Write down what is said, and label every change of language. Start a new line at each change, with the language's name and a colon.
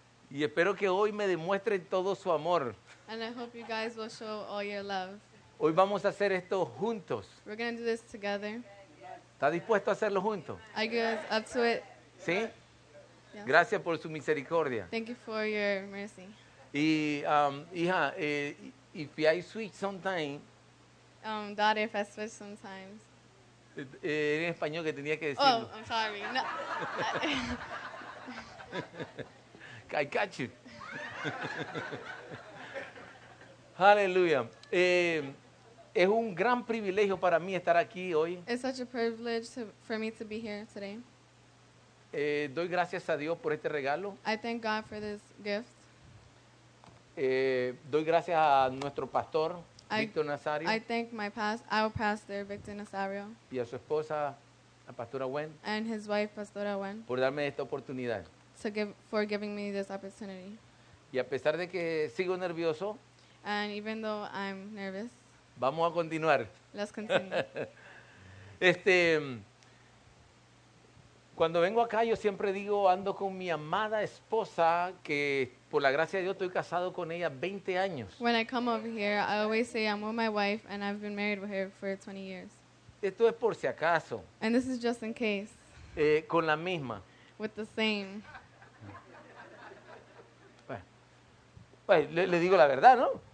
Spanish: Y espero que hoy me demuestren todo su amor.
English: And I hope you guys will show all your love.
Spanish: Hoy vamos a hacer esto juntos.
English: We're going to do this together.
Spanish: ¿Está dispuesto a hacerlo juntos?
English: I guess up to it.
Spanish: ¿Sí? Yeah. Gracias por su misericordia.
English: Thank you for your mercy.
Spanish: Y hija,
English: if I switch sometime, daughter if I switch sometimes.
Spanish: En español que tenía que decirlo.
English: Oh, I'm sorry. No. I got you. Hallelujah.
Spanish: Es un gran privilegio para mí estar aquí hoy.
English: It's such a privilege for me to be here today.
Spanish: Doy gracias a Dios por este regalo.
English: I thank God for this gift.
Spanish: Doy gracias a nuestro pastor, Victor Nazario.
English: I thank our pastor, Victor Nazario.
Spanish: Y a su esposa, la pastora Wen.
English: And his wife, Pastora Wen.
Spanish: Por darme esta oportunidad.
English: For giving me this opportunity.
Spanish: Y a pesar de que sigo nervioso.
English: And even though I'm nervous.
Spanish: Vamos a continuar.
English: Let's continue.
Spanish: Cuando vengo acá, yo siempre digo, ando con mi amada esposa, que por la gracia de Dios estoy casado con ella 20 años.
English: When I come over here, I always say I'm with my wife and I've been married with her for 20 years.
Spanish: Esto es por si acaso.
English: And this is just in case.
Spanish: Con la misma.
English: With the same.
Spanish: Bueno, le digo la verdad, ¿no?